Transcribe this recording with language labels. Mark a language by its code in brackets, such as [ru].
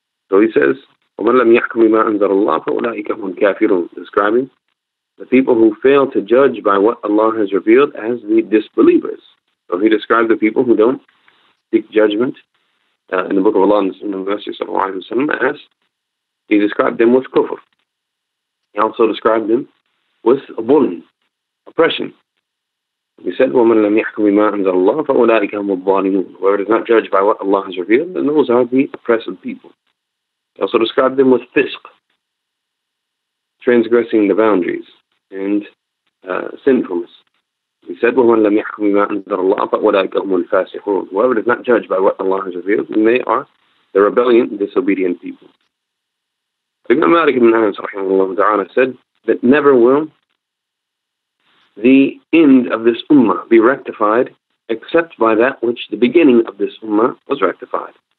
[en] So He says, [ar] وَمَن لَمْ يَحْكُمْ بِمَا أَنزَلَ اللَّهُ فَأُولَٰئِكَ هُمُ الْكَافِرُونَ, [en] describing the people who fail to judge by what Allah has revealed as the disbelievers. So He describes the people who don't seek judgment in the Book of Allah and the Sunnah of the Messenger sallallahu alaihi wasallam, as He described them with kufr. He also described them with bulm, oppression. He said, [ar] وَمَنْ لَمْ يَحْكُمْ بِمَا أَنْزَلَ اللَّهُ فَأُولَٰئِكَ هُمُ الظَّالِمُونَ. [en] Whoever does not judge by what Allah has revealed, then those are the oppressive people. He also described them with fisq, transgressing the boundaries, and sinfulness. He said, [ar] وَمَنْ لَمْ يَحْكُمْ بِمَا أَنْزَلَ اللَّهُ فَأُولَٰئِكَ هُمُ الْفَاسِقُونَ. [en] Whoever does not judge by what Allah has revealed, then they are the rebellion, disobedient people. Ibn Malik ibn Anas, rahimahullah ta'ala, said that never will the end of this ummah be rectified except by that which the beginning of this ummah was rectified.